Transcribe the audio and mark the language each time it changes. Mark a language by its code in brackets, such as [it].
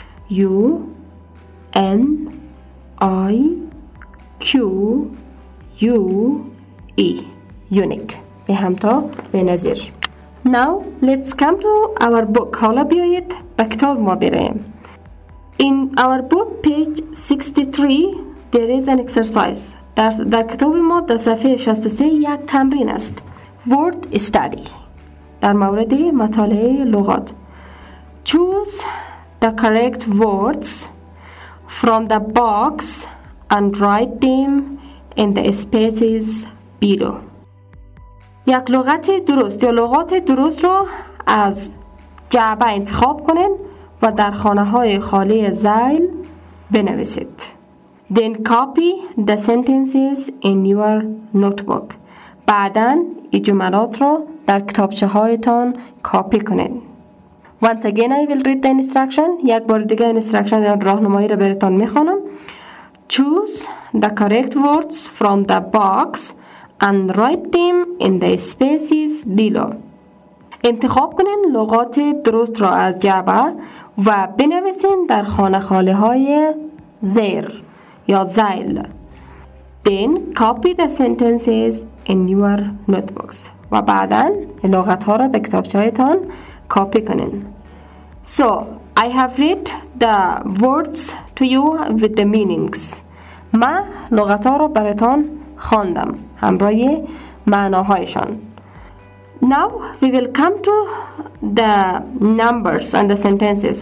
[en] U N I Q U E. Unique. [fa] به همتا به نظیر. [en] Now let's come to our book. [fa] حالا بیایید به کتاب ما بریم. [en] In our book page 63 there is an exercise. [fa] در کتاب ما در صفحه 63 یک تمرین است. Word study. در مورد مطالعه لغات. [en] Choose the correct words from the box and write them in the spaces below. [fa] یک لغت درست یا لغات درست رو از جعبه انتخاب کنین و در خانه های خالی زیل بنویسید. [en] Then copy the sentences in your notebook. [fa] بعدن این جملات رو در کتابچه هایتان کپی کنین. [en] Once again I will read the instruction. [fa] یک بار دیگه instruction یا راهنمایی رو براتون میخونم. [en] Choose the correct words from the box and write them in the spaces below. [fa] انتخاب کنین لغات درست را از جعبه و بنویسین در خانه خاله های زیر یا زیل. [en] Then copy the sentences in your notebooks. [fa] و بعدن لغت ها را به کتابچه هایتان کپی کنین. [en] So, I have read the words to you with the meanings. [fa] ما لغت ها رو براتون خواندم همراهی معناهایشان. [en] Now, we will come to the numbers and the sentences.